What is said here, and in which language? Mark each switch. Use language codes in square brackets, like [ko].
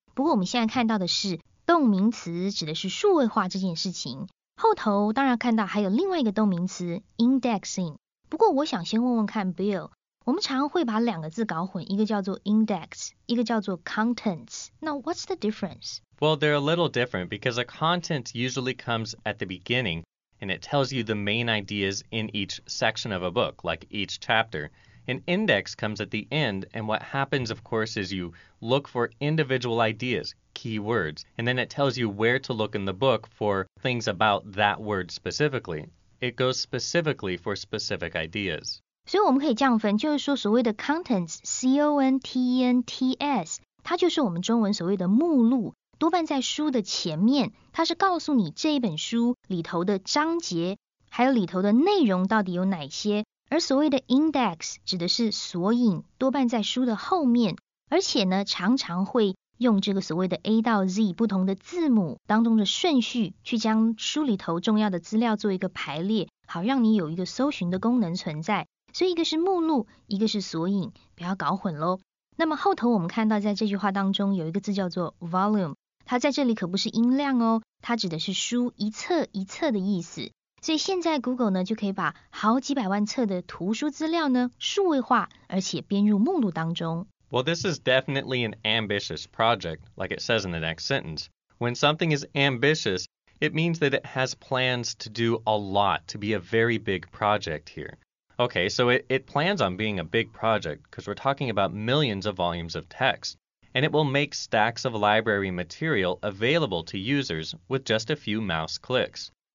[zh] 不过我们现在看到的是动名词指的是数位化这件事情，后头当然看到还有另外一个动名词 indexing。不过我想先问问看 Bill, 我们常会把两个字搞混，一个叫做 index, 一个叫做 contents, 那 [en] what's the difference? Well, they're a little different because a content usually comes at the beginningAnd it tells you the main ideas in each section of a book, like each chapter. An index comes at the end, and what happens, of course, is you look for individual ideas, keywords, and then it tells you where to look in the book for things about that word specifically. It goes specifically for specific ideas. [zh] 所以我们可以这样分，就是说所谓的 contents, C-O-N-T-E-N-T-S, 它就是我们中文所谓的目录，多半在书的前面，它是告诉你这一本书里头的章节，还有里头的内容到底有哪些。而所谓的 index 指的是索引，多半在书的后面，而且呢，常常会用这个所谓的 A 到 Z 不同的字母当中的顺序，去将书里头重要的资料做一个排列，好让你有一个搜寻的功能存在。所以一个是目录，一个是索引，不要搞混咯。那么后头我们看到在这句话当中有一个字叫做 volume， 它在这里可不是音量哦，它指的是书一册一册的意思。所以现在 Google 呢就可以把好几百万册的图书资料呢数位化，而且编入目录当中。 [en] Well, this is definitely an ambitious project, like it says in the next sentence. When something is ambitious, it means that it has plans to do a lot, to be a very big project here. Okay, so it plans on being a big project, because we're talking about millions of volumes of text, and it will make stacks of library material available to users with just a few mouse clicks.